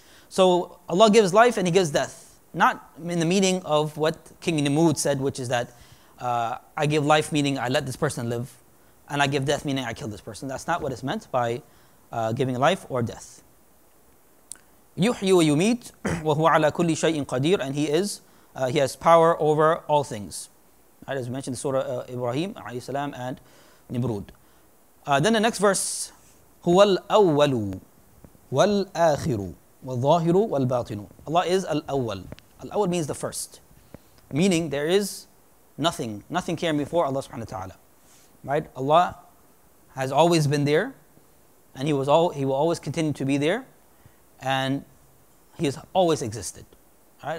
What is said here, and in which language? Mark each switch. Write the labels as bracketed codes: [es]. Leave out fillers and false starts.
[en] So Allah gives life and He gives death. Not in the meaning of what King Nimrud said, which is that I give life meaning I let this person live, and I give death meaning I kill this person. That's not what it's meant by giving life or death. [ar] يُحْيُ وَيُمِيت وَهُوَ عَلَى كُلِّ شَيْءٍ قَدِيرٍ. [en] And he has power over all things. Right, as we mentioned, Surah Ibrahim, alayhi salam, and Nimrud. Then the next verse, [ar] هُوَ الْأَوَّلُ وَالْآخِرُ وَالظَّاهِرُ وَالْبَاطِنُ. [en] Allah is al-awwal. Al-awwal means the first. Meaning there is nothing. Nothing came before Allah subhanahu wa ta'ala. Right? Allah has always been there. And He will always continue to be there. And He has always existed. Right?